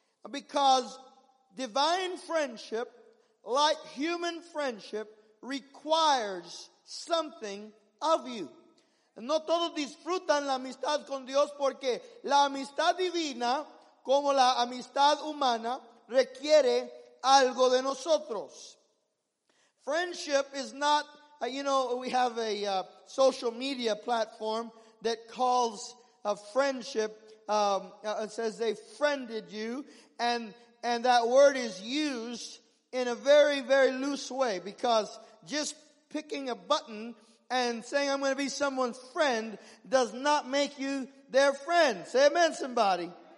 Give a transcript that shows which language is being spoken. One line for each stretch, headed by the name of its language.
English: Because divine friendship, like human friendship, requires something of you.
Spanish: No todos disfrutan la amistad con Dios porque la amistad divina, como la amistad humana, requiere algo de nosotros.
English: Friendship is not, you know, we have a social media platform that calls a friendship, it says they friended you, and that word is used in a very, very loose way, because just picking a button and saying I'm going to be someone's friend does not make you their friend. Say amen, somebody.